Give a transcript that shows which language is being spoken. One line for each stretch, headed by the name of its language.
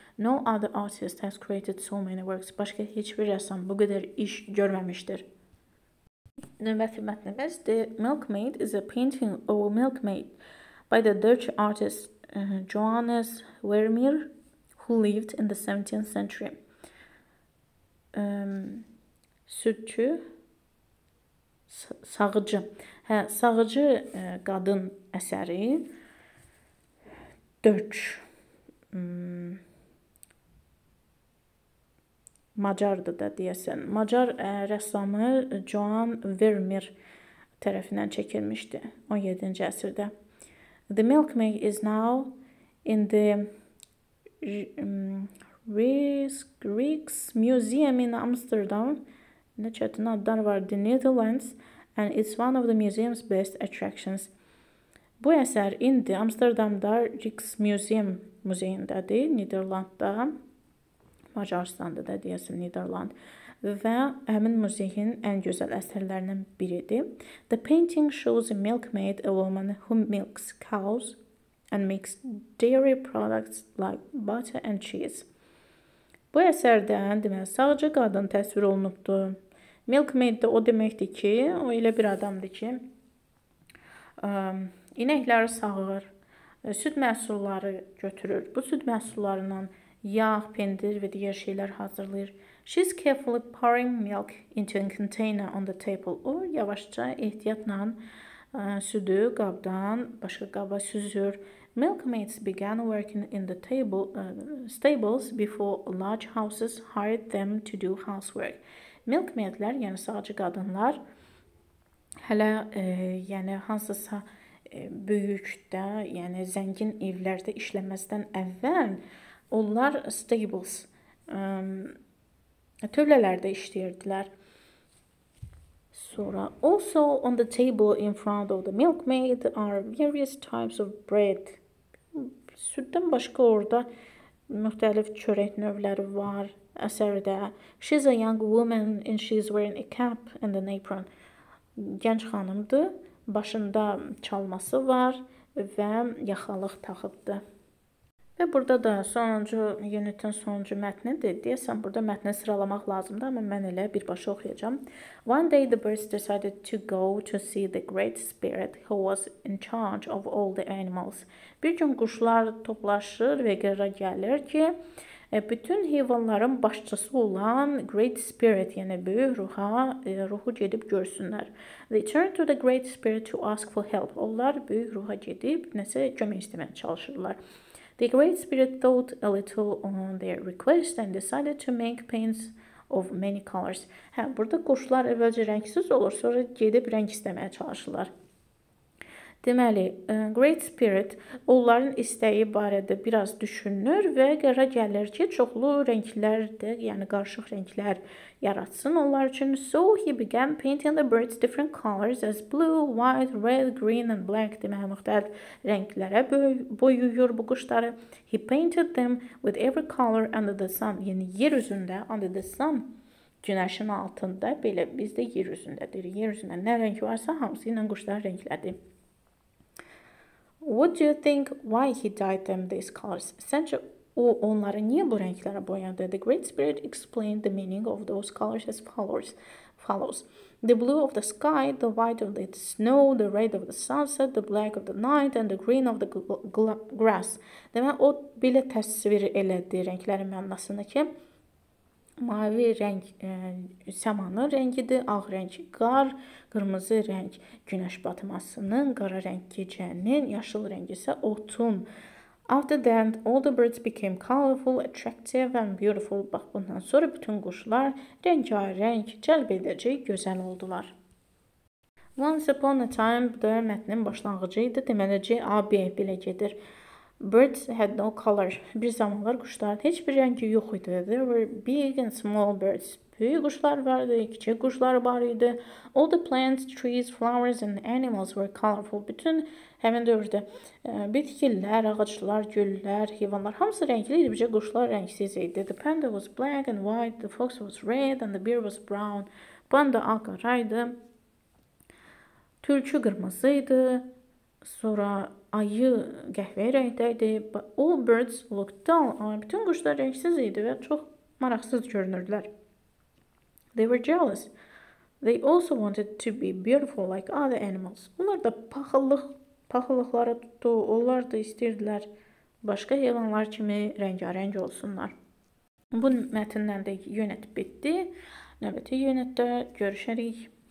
English: No other artist has created so many works.
Azerbaijani: Başqa heç bir rəssam bu qədər iş görməmişdir. Növbəti mətnimiz
English: The Milkmaid is a painting of a milkmaid by the Dutch artist Johannes Vermeer who lived in the 17th century.
Azerbaijani: Sütçü, sağıcı. Hə, sağıcı qadın əsəri. Döç. Macardı da deyəsən. Macar rəssamı Joan Vermeer tərəfindən çəkilmişdi 17-ci əsrdə.
English: The Milkmaid is now in the Rijksmuseum in Amsterdam.
Azerbaijani: Ne çətin adlar var.
English: The Netherlands and it's one of the museum's best attractions.
Azerbaijani: Bu əsər indi Amsterdam'da Rijksmuseum müzeyindədir, Niderland'da. Macaristan'da da deyəsən Niderland. Və həmin müzeyin ən gözəl əsərlərindən biridir.
English: The painting shows a milkmaid, a woman who milks cows and makes dairy products like butter and cheese.
Azerbaijani: Bu əsərdən deməli sağcı qadın təsvir olunubdur. Milkmaid də o deməkdir ki, o elə bir adamdır ki, inəkləri sağır, süd məhsulları götürür. Bu süd məhsullarından yağ, pendir və digər şeylər hazırlayır.
English: She's carefully pouring milk into a container on the table.
Azerbaijani: O yavaşca ehtiyatla sütü qabdan başqa qaba süzür.
English: Milkmaids began working in the stables before large houses hired them to do housework.
Azerbaijani: Milkmaidlər, yəni sağcı qadınlar, hələ yəni hansısa böyükdə, yəni zəngin evlərdə işləməzdən əvvəl onlar stables tövlələrdə işləyirdilər.
English: Sonra, also on the table in front of the milkmaid are various types of bread.
Azerbaijani: Süddən başqa orada müxtəlif çörək növləri var əsərdə.
English: She's a young woman and she's wearing a cap and an apron.
Azerbaijani: Gənc xanımdır, başında çalması var və yaxalıq taxıbdır. Və burada da sonuncu unitin sonuncu mətnidir. Deyəsən burada mətni sıralamaq lazımdır, amma mən elə birbaşa oxuyacağam.
English: One day the birds decided to go to see the great spirit who was in charge of all the animals.
Azerbaijani: Bir gün quşlar toplaşır və qərara gəlir ki, bütün heyvanların başçısı olan great spirit, yəni böyük ruhu gedib görsünlər.
English: They turn to the great spirit to ask for help.
Azerbaijani: Onlar böyük ruha gedib nəsə kömək istəməyə çalışırlar.
English: The great spirit thought a little on their request and decided to make paints of many colors.
Azerbaijani: Hə, burada quşlar əvvəlcə rəngsiz olur, sonra gedib rəng istəməyə çalışırlar. Deməli, great spirit onların istəyi barədə biraz düşünür və qərara gəlir ki, çoxlu rənglər də, yəni qarışıq rənglər yaratsın onlar üçün.
English: So he began painting the birds different colors as blue, white, red, green and black.
Azerbaijani: Deməli, müxtəlif rənglərə boyuyur bu quşları.
English: He painted them with every color under the sun.
Azerbaijani: Yəni yer üzündə,
English: under the sun,
Azerbaijani: günəşin altında, belə bizdə yer üzündədir. Yer üzündə nə rəng varsa hamısı ilə quşlar rənglədir.
English: What do you think why he dyed them these colors?
Azerbaijani: Sence o onları niyə bu rənglərə boyadı?
English: The great spirit explained the meaning of those colors as follows. The blue of the sky, the white of the snow, the red of the sunset, the black of the night and the green of the grass.
Azerbaijani: Demə o belə təsvir elədi rənglərin mənasını ki, mavi rəng səmanın rəngidir, ağ rəng qar, qırmızı rəng günəş batmasının, qara rəng gecənin, yaşıl rəng isə otun.
English: After that, all the birds became colorful, attractive and beautiful.
Azerbaijani: Bax, bundan sonra bütün quşlar rəngarəng, cəlb edici, gözəl oldular.
English: Once upon a time,
Azerbaijani: bu da mətnin başlanğıcı idi. Deməli, C, A, B belə gedir.
English: Birds had no color.
Azerbaijani: Bir zamanlar quşların heç bir rəngi yox idi.
English: There were big and small birds.
Azerbaijani: Böyük quşlar vardı, kiçik quşlar var idi.
English: All the plants, trees, flowers and animals were colorful.
Azerbaijani: Bütün həmin dövrdə bitkilər, ağaclar, güllər, heyvanlar hamısı rəngli idi, bircə quşlar rəngsiz idi.
English: The panda was black and white, the fox was red and the bear was brown.
Azerbaijani: Panda ağ-qara idi. Tülkü qırmızı idi. Sonra ayı qəhvəyirəkdə idi.
English: All birds looked dull.
Azerbaijani: Ama bütün quşlar rəngsiz idi və çox maraqsız görünürdülər.
English: They were jealous. They also wanted to be beautiful like other animals.
Azerbaijani: Onlar da paxıllıqları tutdu. Onlar da istəyirdilər başqa heyvanlar kimi rəngarəng olsunlar. Bu mətnlərdə yönət bitdi. Növbəti yönətdə görüşərik.